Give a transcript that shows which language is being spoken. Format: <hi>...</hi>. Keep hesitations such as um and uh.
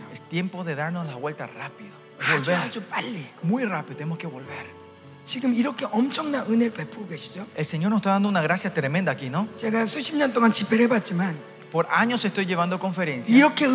<es>Es tiempo de darnos la vuelta rápido.</es> <ko>아주, 아주 빨리.</ko> <es>Muy rápido tenemos que volver.</es> <ko>지금 이렇게 엄청난 은혜를 베푸고 계시죠?</ko> <es>El Señor nos está dando una gracia tremenda aquí, ¿no?</es> <ko>제가 수십 년 동안 집회를 해봤지만.</ko> <es>por años estoy llevando conferencias.</es>